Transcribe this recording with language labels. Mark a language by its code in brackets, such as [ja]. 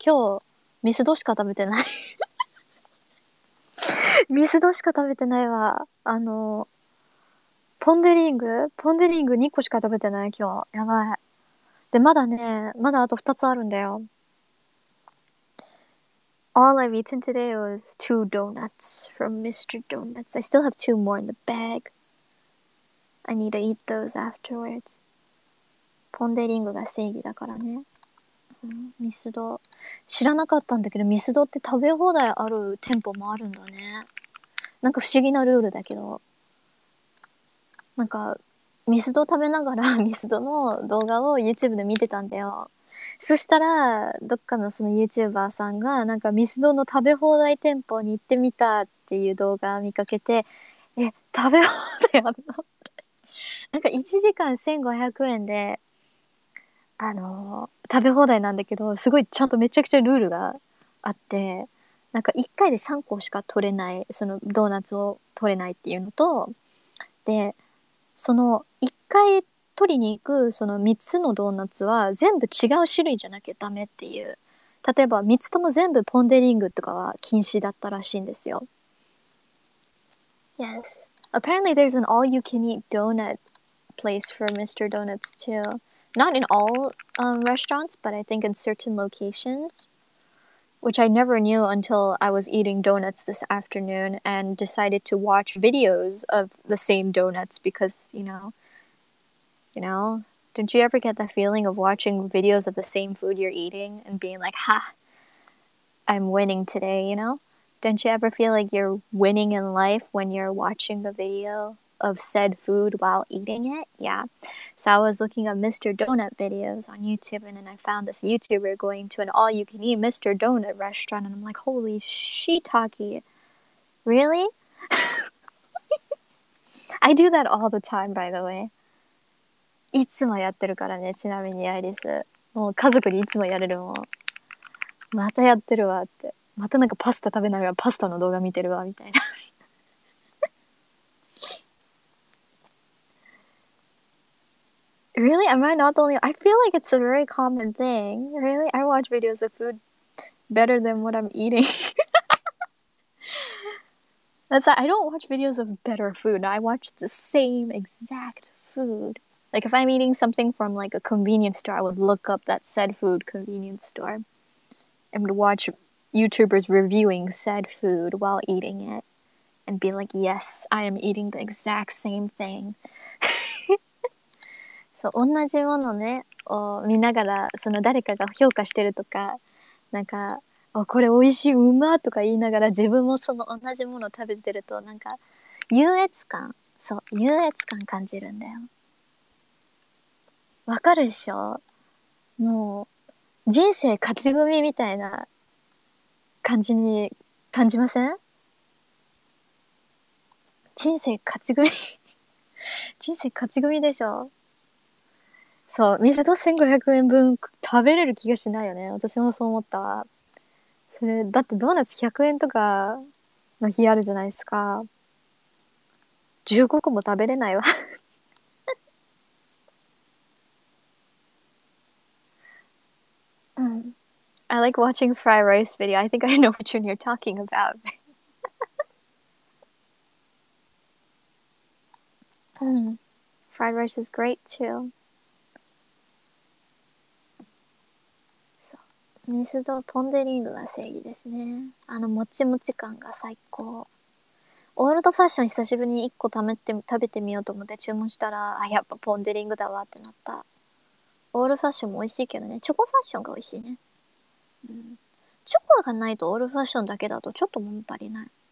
[ja] 今日ミスドしか食べてないミスドしか食べてないわ。あのポンデリング、ポンデリング2個しか食べてない今日。やばい。でまだね、まだあと2つあるんだよ。 [en] All I've eaten today was two donutsfrom Mr. Donuts. I still have two more in the bag. I need to eat those afterwards. [ja] ポンデリングが正義だからね。ミスド。知らなかったんだけど、ミスドって食べ放題ある店舗もあるんだね。なんか不思議なルールだけど。なんか、ミスド食べながらミスドの動画を YouTube で見てたんだよ。そしたらどっかのその YouTuber さんがなんかミスドの食べ放題店舗に行ってみたっていう動画を見かけて、え、食べ放題あるのなんか1時間1500円で食べ放題なんだけど、すごいちゃんとめちゃくちゃルールがあって、なんか1回で3個しか取れない、そのドーナツを取れないっていうのと、でその1回取りに行くその3つのドーナツは全部違う種類じゃなきゃダメっていう、例えば3つとも全部ポンデリングとかは禁止だったらしいんですよ。 [en] Yes, apparently there's an all you can eat donut place for Mr. Donuts too. Not in all restaurants, but I think in certain locations, which I never knew until I was eating donuts this afternoon and decided to watch videos of the same donuts because, you know, don't you ever get that feeling of watching videos of the same food you're eating and being like, ha, I'm winning today, you know? Don't you ever feel like you're winning in life when you're watching the video of said food while eating it? Yeah. So I was looking at Mr. Donut videos on YouTube, and then I found this YouTuber going to an all-you-can-eat Mr. Donut restaurant, and I'm like, holy shiitake, really? I do that all the time, by the way. [ja] いつもやってるからね。ちなみにアイリス、もう家族にいつもやれるもん。またやってるわって、またなんかパスタ食べながらパスタの動画見てるわみたいな。 [en] Really? Am I not the only? I feel like it's a very common thing. Really? I watch videos of food better than what I'm eating. That's like, I don't watch videos of better food. I watch the same exact foodLike, if I'm eating something from, like, a convenience store, I would look up that said food convenience store and would watch YouTubers reviewing said food while eating it and be like, yes, I am eating the exact same thing. [ja] そう、同じものねを見ながらその誰かが評価してるとか、なんかあこれ美味しいうまとか言いながら自分もその同じものを食べてると、なんか優越感、そう優越感感じるんだよ。わかるっしょ、もう人生勝ち組みたいな感じに感じません？人生勝ち組人生勝ち組でしょ。そう、水と1500円分食べれる気がしないよね。私もそう思ったわ。それだってドーナツ100円とかの日あるじゃないですか。 15個も食べれないわうん、 [en] I like watching fried rice video. I think I know what you're talking about. うん、fried rice is great too. [ja] そう、ミスドポンデリングが正義ですね。あのもちもち感が最高。オールドファッション久しぶりに1個食べてみようと思って注文したら、あ、やっぱポンデリングだわってなった。オールファッションも美味しいけどね、チョコファッションが美味しいね、うん、チョコがないとオールファッションだけだとちょっと物足りない。